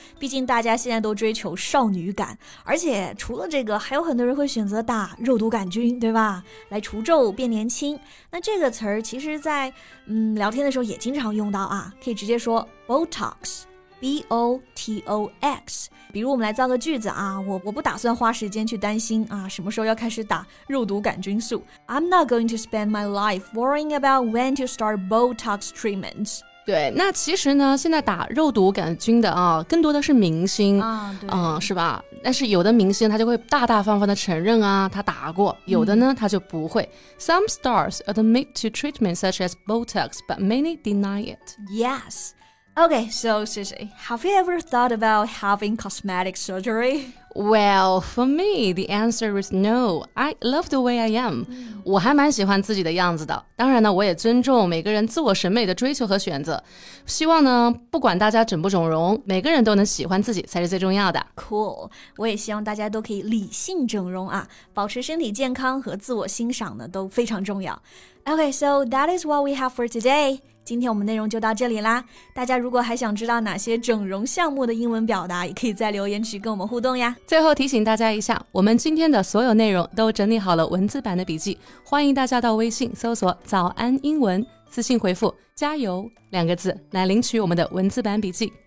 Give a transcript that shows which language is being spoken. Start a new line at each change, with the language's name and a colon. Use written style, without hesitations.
Chinese: 毕竟大家现在都追求少女感，而且除了这个还有很多人会选择打肉毒杆菌，对吧，来除皱变年轻。那这个词其实在聊天的时候也经常用到啊，可以直接说 Botox, B-O-T-O-X。比如我们来造个句子啊，我不打算花时间去担心啊什么时候要开始打肉毒杆菌素。
English: I'm not going to spend my life worrying about when to start Botox treatments.
Chinese: 对，那其实呢现在打肉毒杆菌的啊更多的是明星啊，对、是吧，但是有的明星他就会大大方方的承认啊他打过，有的呢、嗯、他就不会。
English: Some stars admit to treatments such as Botox, but many deny it. Yes. Okay, so Sissy, have you ever thought about having cosmetic surgery? Well, for me, the answer is no. I love the way I am.、嗯、
Chinese: 我还蛮喜欢自己的样子的。当然呢，我也尊重每个人自我审美的追求和选择。希望呢，不管大家整不整容，每个人都能喜欢自己才是最重要的。 Cool, 我也希望大家都可以理性整容啊，保持身体健康和自我欣赏呢都非常重要。
English: Okay, so that is what we have for today.
Chinese: 今天我们内容就到这里啦，大家如果还想知道哪些整容项目的英文表达，也可以在留言区跟我们互动呀。最后提醒大家一下，我们今天的所有内容都整理好了文字版的笔记，欢迎大家到微信搜索早安英文，私信回复加油两个字来领取我们的文字版笔记。